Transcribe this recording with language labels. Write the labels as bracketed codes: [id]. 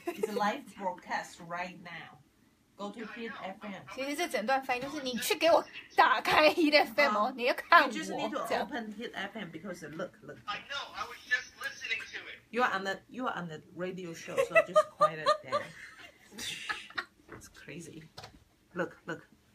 [en] It's live broadcast right now. Go to Hit FM. [zh] 其实这整段翻译就是你去给我打开 Hit FM 哦，你要看我。 [en] You just need to open Hit FM because look, look. I know. I was just listening to it. You are on the radio show, so just quiet it down. It's crazy. Look, look.